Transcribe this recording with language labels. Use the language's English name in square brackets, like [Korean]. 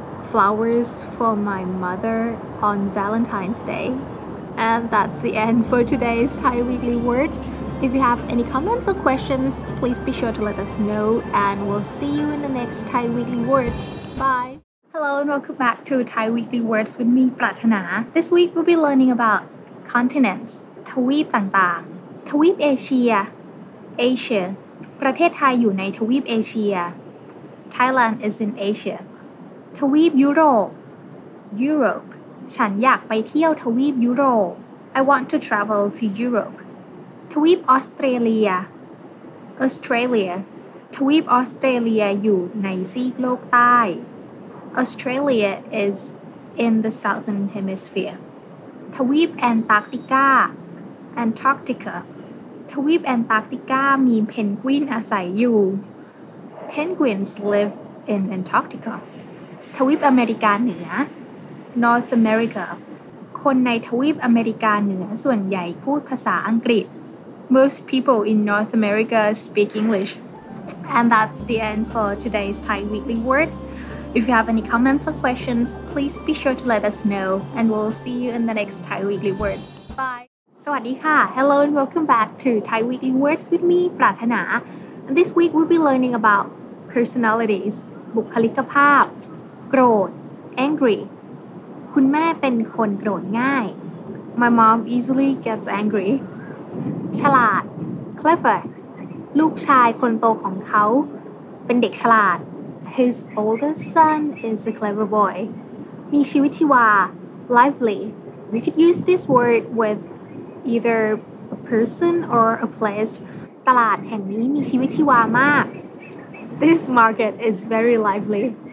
[English] flowers for my mother on Valentine's Day And that's the end for today's Thai Weekly Words If you have any comments or questions, please be sure to let us know and we'll see you in the next Thai Weekly Words. Bye! Hello and welcome back to Thai Weekly Words with me, Prathana. This week we'll be learning about continents, [Thai] ทวีปต่างๆ ทวีปเอเชีย [English] Asia [Thai] ประเทศไทยอยู่ในทวีปเอเชีย [English] Thailand is in Asia ทวีปยุโรป Europe [Thai] ฉันอยากไปเที่ยวทวีปยุโรป [English] I want to travel to Europe [Thai] ทวีปออสเตรเลีย ออสเตรเลียทวีปออสเตรเลียอยู่ในซีกโลกใต้ [English] Australia is in the southern hemisphere [Thai] ทวีปแอนตาร์กติกา Antarctica ทวีปแอนตาร์กติกามีเพนกวินอาศัยอยู่ [English] Penguins live in Antarctica ทวีปอเมริกาเหนือ North America [Thai] คนในทวีปอเมริกาเหนือส่วนใหญ่พูดภาษาอังกฤษ [English] Most people in North America speak English. And that's the end for today's Thai Weekly Words. If you have any comments or questions, please be sure to let us know. And we'll see you in the next Thai Weekly Words. Bye. [Thai] สวัสดีค่ะ [English] Hello and welcome back to Thai Weekly Words with me, Prathana. And this week we'll be learning about personalities. [Thai] บุคลิกภาพ โกรธ angry. คุณแม่เป็นคนโกรธง่าย [English] My mom easily gets angry. ฉลาด clever [Thai] ลูกชายคนโตของเขาเป็นเด็กฉลาด [English] his oldest son is a clever boy มีชีวิตชีวา lively we could use this word with either a person or a place [Thai] ตลาดแห่งนี้มีชีวิตชีวามาก [English] this market is very lively